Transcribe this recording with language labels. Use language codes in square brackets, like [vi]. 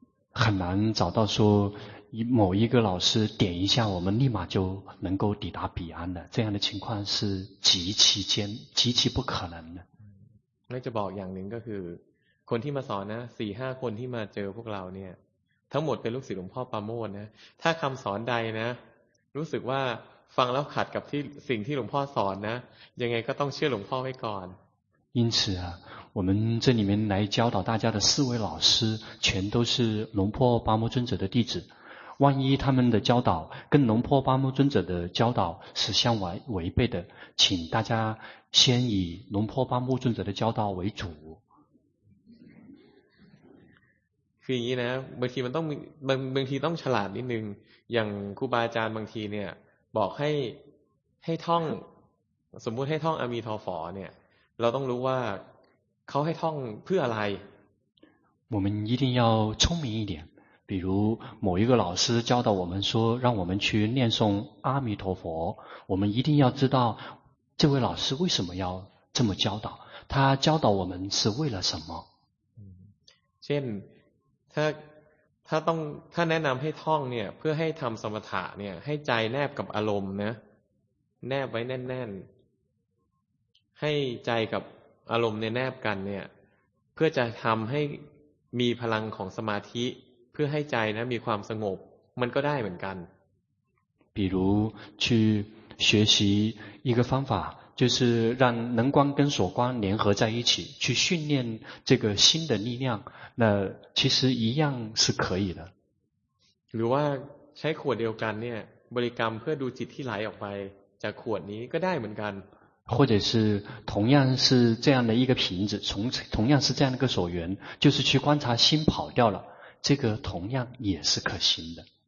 [zh] 很难找到说某一个老师点一下我们立马就能够抵达彼岸的，这样的情况是极其不可能的。 [th] แล้วจะบอกอย่างหนึ่งก็คือคนที่มาสอนนะ 4-5 คนที่มาเจอพวกเราเนี่ยทั้งหมดเป็นลูกศิษย์หลวงพ่อปราโมทย์นะถ้าคำสอนใดนะรู้สึกว่าฟังแล้วขัดกับที่สิ่งที่หลวงพ่อสอนนะยังไงก็ต้องเชื่อหลวงพ่อไว้ก่อน [zh] 因此啊我们这里面来教导大家的四位老师全都是龙破八摩尊者的弟子万一他们的教导跟龙破八摩尊者的教导是相违背的请大家先以龙破八摩尊者的教导为主 [th] คืออย่างนี้นะบางทีมันต้องบางทีต้องฉลาดนิดนึงอย่างครูบาอาจารย์บางทีเนี่ยบอกให้ท่องสมมุติให้ท่องอมีทอฝอเนี่ยเราต้องรู้ว่าเขาให้ท่องเพื่ออะไร [zh] 我们一定要聪明一点比如某一个老师教导我们说让我们去念诵阿弥陀佛我们一定要知道这位老师为什么要这么教导他教导我们是为了什么 [th] เช่นถ้าแนะนำให้ท่องเนี่ยเพื่อให้ทำสมถะเนี่ยให้ใจแนบกับอารมณ์นะแนบไว้แน่นๆให้ใจกับอารมณ์เนี่ยแนบกันเนี่ยเพื่อจะทำให้มีพลังของสมาธิเพื่อให้ใจนะมีความสงบมันก็ได้เหมือนกัน [zh] 比如去学习一个方法就是让能观跟所观联合在一起去训练这个心的力量那其实一样是可以的 [th] หรือว่าใช้ขวดเดียวกันเนี่ยบริกรรมเพื่อดูจิตที่ไหลออกไปจากขวดนี้ก็ได้เหมือนกัน [zh] 或者是同样是这样的一个瓶子同样是这样的一个所缘就是去观察心跑掉了这个同样也是可行的。